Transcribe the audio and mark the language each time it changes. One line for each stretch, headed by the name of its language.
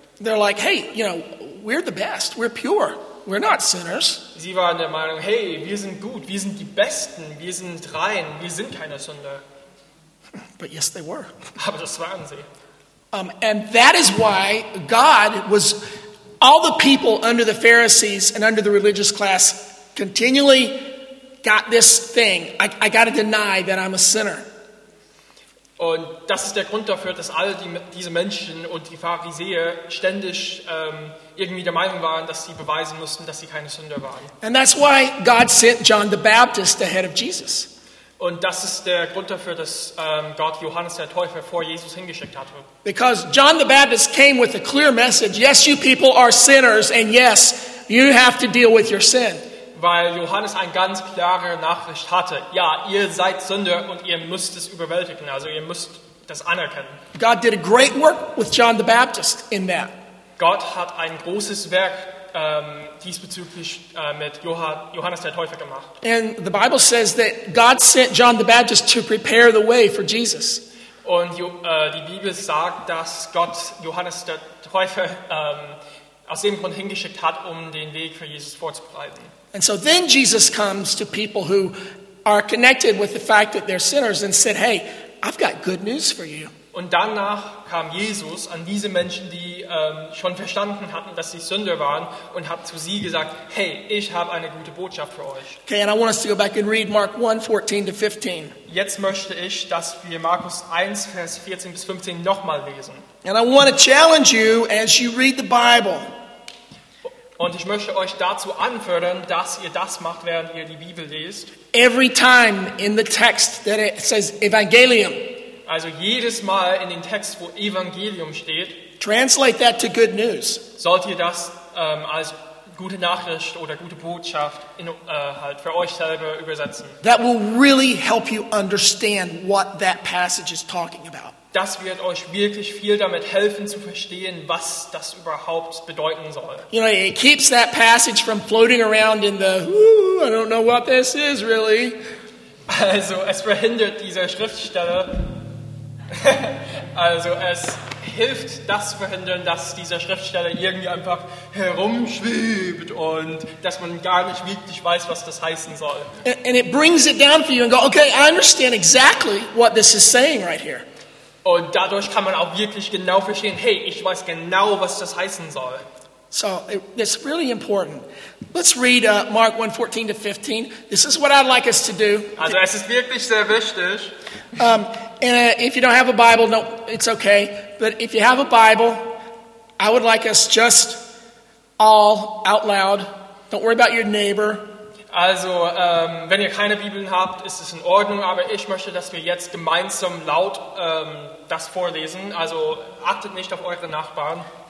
English: They're like, hey, you know, we're the best, we're pure, we're not sinners.
German: Sie waren der Meinung, hey, wir sind gut, wir sind die Besten, wir sind rein, wir sind keine Sünder.
English: But yes, they were.
German: Aber das waren sie.
English: And that is why God was, all the people under the Pharisees and under the religious class continually got this thing, I gotta deny that I'm a sinner.
German: Und das ist der Grund dafür, dass alle diese Menschen und die Pharisäer ständig irgendwie der Meinung waren, dass sie beweisen mussten, dass sie keine Sünder waren.
English: And that's why God sent John the Baptist ahead of Jesus.
German: Und das ist der Grund dafür, dass Gott Johannes der Täufer vor Jesus hingeschickt hatte.
English: Because John the Baptist came with a clear message, yes, you people are sinners, and yes, you have to deal with your sin.
German: Weil Johannes eine ganz klare Nachricht hatte. Ja, ihr seid Sünder und ihr müsst es überwältigen. Also ihr müsst das anerkennen.
English: God did a great work with John the Baptist in that.
German: Gott hat ein großes Werk diesbezüglich mit Johannes der Täufer gemacht.
English: And the Bible says that God sent John the Baptist to prepare the way for Jesus.
German: Und die Bibel sagt, dass Gott Johannes der Täufer aus dem Grund hingeschickt hat, um den Weg für Jesus vorzubereiten.
English: And so then Jesus comes to people who are connected with the fact that they're sinners and said, hey, I've got good news for you.
German: Und danach kam Jesus an diese Menschen, die schon verstanden hatten, dass sie Sünder waren, und hat zu sie gesagt, hey, ich habe eine gute Botschaft für euch.
English: Okay, and I want us to go back and read Mark 1, 14 to 15.
German: Jetzt möchte ich, dass wir Markus 1, Vers 14 bis 15 nochmal lesen.
English: And I want to challenge you as you read the Bible.
German: Und ich möchte euch dazu anfordern, dass ihr das macht, während ihr die Bibel lest.
English: Every time in the text that it says Evangelium.
German: Also jedes Mal in den Text, wo Evangelium steht.
English: Translate that to good news.
German: Sollt ihr das als gute Nachricht oder gute Botschaft halt für euch selber übersetzen.
English: That will really help you understand what that passage is talking about.
German: Das wird euch wirklich viel damit helfen zu verstehen, was das überhaupt bedeuten soll.
English: You know, it keeps that passage from floating around in the I don't know what this is really.
German: Also es verhindert dieser Schriftsteller. Also es hilft das verhindern, dass dieser Schriftsteller irgendwie einfach herumschwebt und dass man gar nicht wirklich weiß, was das heißen soll.
English: And it brings it down for you and go, okay, I understand exactly what this is saying right here.
German: Und dadurch kann man auch wirklich genau verstehen, hey, ich weiß genau, was das heißen soll.
English: So, it's really important. Let's read Mark 1, 14 to 15. This is what I'd like us to do.
German: Also, es ist wirklich sehr wichtig.
English: And if you don't have a Bible, no, it's okay. But if you have a Bible, I would like us just all out loud. Don't worry about your neighbor.
German: Also, wenn ihr keine Bibeln habt, ist es in Ordnung, aber ich möchte, dass wir jetzt gemeinsam laut das vorlesen. Also, achtet nicht auf eure Nachbarn.